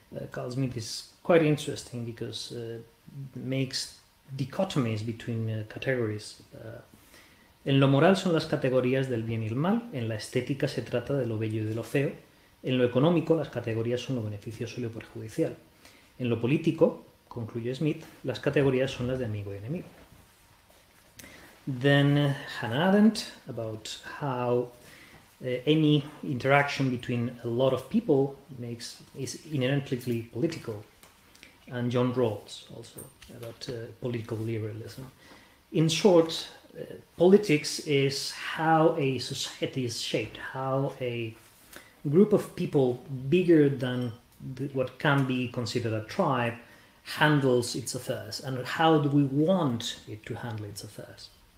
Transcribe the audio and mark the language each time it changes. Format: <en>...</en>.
<en>Carl Smith is quite interesting because makes dichotomies between categories.</en> <es>En lo moral son las categorías del bien y el mal, en la estética se trata de lo bello y de lo feo, en lo económico las categorías son lo beneficioso y lo perjudicial. En lo político, concluye Smith, las categorías son las de amigo y enemigo.</es> <en>Then Hannah Arendt, about how any interaction between a lot of people is inherently political. And John Rawls, also, about political liberalism. In short, politics is how a society is shaped, how a group of people bigger than what can be considered a tribe handles its affairs, and how do we want it to handle its affairs.</en>